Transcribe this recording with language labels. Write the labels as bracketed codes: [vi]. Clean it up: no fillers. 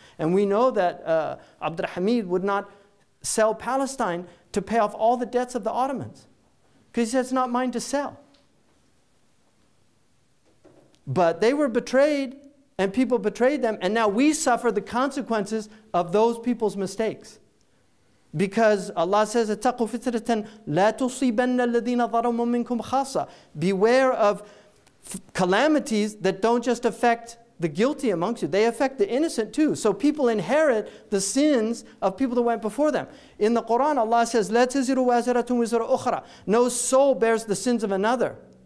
[en] And we know that Abd al-Hamid would not sell Palestine to pay off all the debts of the Ottomans. Because he said, it's not mine to sell. But they were betrayed, and people betrayed them, and now we suffer the consequences of those people's mistakes. Because Allah says, [ar] اتَّقُوا فِتْرَةً لَا تُصِيبَنَّ الَّذِينَ ظَرَمُوا مِنْكُمْ خَاصًا. [en] Beware of calamities that don't just affect the guilty amongst you, they affect the innocent too. So people inherit the sins of people that went before them. In the Quran, Allah says, [ar] لَا تَزِرُ وَازِرَةٌ وِزْرَ أُخْرَى. [en] No soul bears the sins of another.